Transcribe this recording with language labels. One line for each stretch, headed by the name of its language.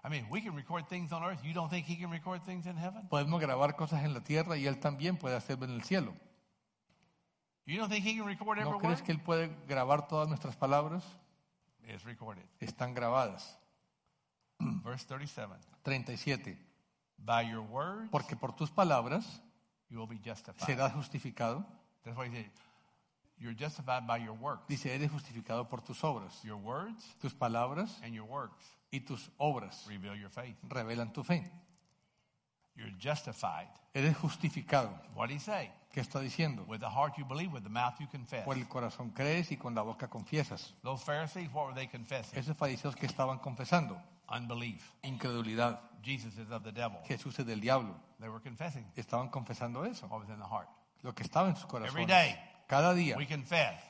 English: We can record things on earth. You don't think he can record things in heaven?
Spanish: Podemos grabar cosas en la tierra y él también puede hacerlo en el cielo.
English: You don't think he can record everywhere?
Spanish: ¿No crees que él puede grabar todas nuestras palabras?
English: It's recorded.
Spanish: Están grabadas.
English: Verse 37. By your words,
Spanish: porque por tus palabras
English: you will be justified.
Spanish: Serás justificado.
English: That's why he said, you're justified by your works.
Spanish: Dice, eres justificado por tus obras.
English: Your words,
Spanish: tus palabras,
English: and your works,
Spanish: y tus obras,
English: reveal your faith.
Spanish: Revelan tu fe.
English: You're justified.
Spanish: Eres justificado.
English: What did he say?
Spanish: ¿Qué está diciendo?
English: With the heart you believe, with the mouth you confess.
Spanish: Por el corazón crees y con la boca confiesas.
English: Those Pharisees, what were they confessing?
Spanish: Esos fariseos que estaban confesando.
English: Unbelief.
Spanish: Incredulidad.
English: Jesus is of the devil.
Spanish: Jesús es del diablo.
English: They were confessing.
Spanish: Estaban confesando eso.
English: What was in the heart?
Spanish: Lo que estaba en sus corazones.
English: Every day.
Spanish: Cada día
English: we confess